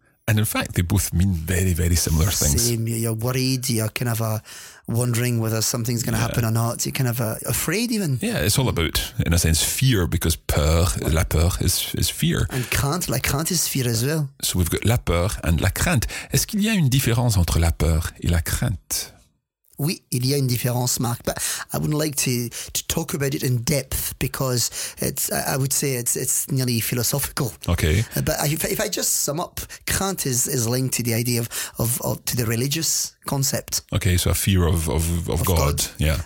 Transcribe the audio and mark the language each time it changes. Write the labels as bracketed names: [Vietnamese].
[English] And in fact, they both mean very, very similar things. Same. You're worried, you're kind of a wondering whether something's going to happen or not. You're kind of afraid even. Yeah, it's all about, in a sense, fear, because peur, la peur, is fear. And crainte, la crainte is fear as well. So we've got la peur and la crainte. [French] Est-ce qu'il y a une différence entre la peur et la crainte? Oui, il y a une différence, Marc. [English] But I wouldn't like to talk about it in depth because I would say it's nearly philosophical. Okay. But if I just sum up, crainte is linked to the idea of to the religious concept. Okay, so a fear of God. Yeah.